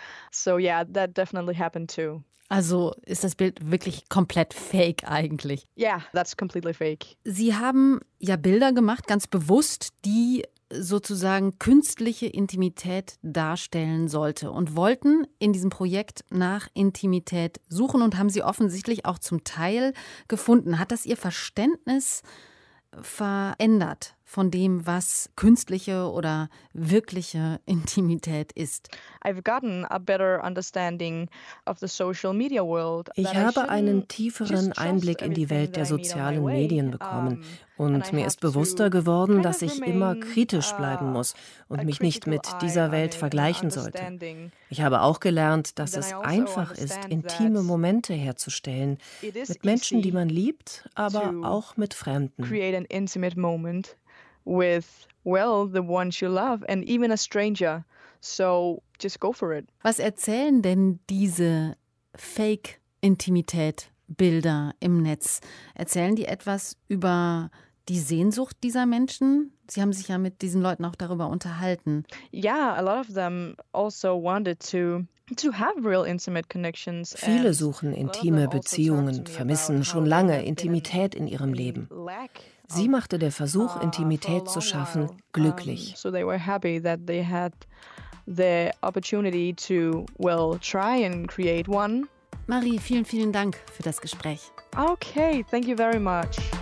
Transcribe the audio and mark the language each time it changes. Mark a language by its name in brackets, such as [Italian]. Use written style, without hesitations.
[English] So yeah, that definitely happened too. [German] Also ist das Bild wirklich komplett fake eigentlich? [English] Yeah, that's completely fake. [German] Sie haben ja Bilder gemacht, ganz bewusst, die sozusagen künstliche Intimität darstellen sollte und wollten in diesem Projekt nach Intimität suchen und haben sie offensichtlich auch zum Teil gefunden. Hat das Ihr Verständnis verändert von dem, was künstliche oder wirkliche Intimität ist? [English] I've gotten a better understanding of the social media world. [German] Ich habe einen tieferen Einblick in die Welt der sozialen Medien bekommen. Und mir ist bewusster geworden, dass ich immer kritisch bleiben muss und mich nicht mit dieser Welt vergleichen sollte. Ich habe auch gelernt, dass es einfach ist, intime Momente herzustellen, mit Menschen, die man liebt, aber auch mit Fremden. [English] Create an intimate moment with, well, the ones you love and even a stranger. So just go for it. [German] Was erzählen denn diese Fake-Intimität Bilder im Netz? Erzählen die etwas über die Sehnsucht dieser Menschen? Sie haben sich ja mit diesen Leuten auch darüber unterhalten. [English] Yeah, a lot of them also wanted to have real intimate connections. [German] Viele suchen intime Beziehungen, vermissen schon lange Intimität in ihrem Leben. Sie machte der Versuch, Intimität zu schaffen, glücklich. [English] So they were happy that they had the opportunity to, well, try and create one. [German] Marie, vielen, vielen Dank für das Gespräch. [English] Okay, thank you very much.